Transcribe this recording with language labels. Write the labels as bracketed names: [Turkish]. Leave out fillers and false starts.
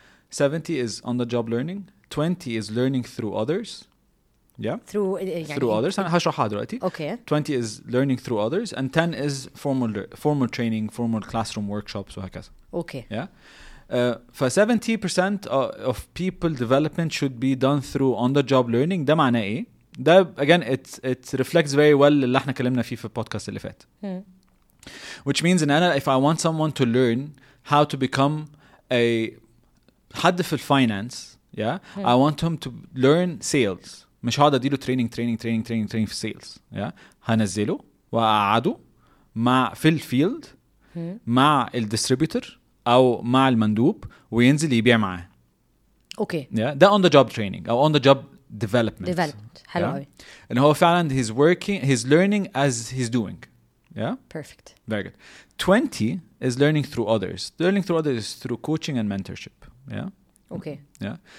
[English] 70 is on the job learning, 20 is learning through others. Yeah. Through through others. [Arabic] هشرحها دلوقتي. [English] Okay. 20 is learning through others and 10 is formal training, formal classroom workshops وهكذا. Okay. Yeah. For 70% of people development should be done through on the job learning. [Arabic] ده معناه ايه؟ ده [English] again it reflects very well [Arabic] اللي احنا كلمنا فيه في البودكاست اللي فات. [English] Which means [Arabic] ان انا [English] if I want someone to learn how to become a [Arabic] حد في الفاينانس، [English] yeah, I want him to learn sales. [Arabic] مش هقعد اديله training في سيلز. yeah. هنزله واقعده مع في الفيلد مع الديستريبيوتور او مع المندوب وينزل يبيع معاه. [English] Okay. okay. yeah. ده on the job training او on the job development. [Arabic] development. حلو قوي. [English] yeah. and [Arabic] هو فعلا [English] he's working, he's learning as he's doing. yeah. perfect. very good. 20 is learning through others. learning through others is through coaching and mentorship. yeah. Okay. Yeah.